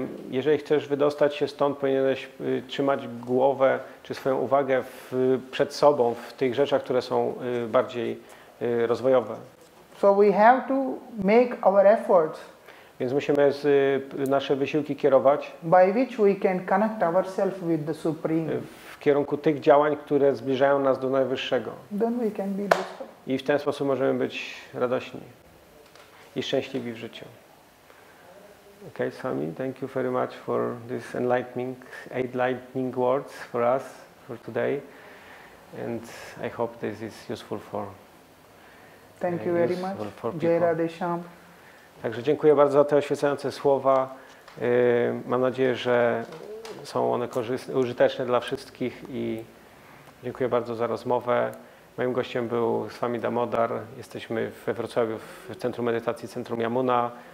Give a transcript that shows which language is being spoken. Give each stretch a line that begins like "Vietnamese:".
Polish: Jeżeli chcesz wydostać się stąd, powinieneś trzymać głowę czy swoją uwagę przed sobą w tych rzeczach, które są bardziej rozwojowe.
English: So we have to make our efforts.
Polish: Więc musimy nasze wysiłki kierować.
English: By which we can connect ourselves with the Supreme.
Polish: W kierunku tych działań, które zbliżają nas do Najwyższego.
English: Then we can be blissful.
Polish: I w ten sposób możemy być radośni i szczęśliwi w życiu.
English: Okay, Swami, thank you very much for this eight lightning words for us for today, and I hope this is useful for. Thank you very much. Jai Radhe Shyam.
Polish: Także dziękuję bardzo za te oświecające słowa. Mam nadzieję, że są one korzystne, użyteczne dla wszystkich i dziękuję bardzo za rozmowę. Moim gościem był Swami Damodar. Jesteśmy we Wrocławiu w Centrum Medytacji Centrum Yamuna.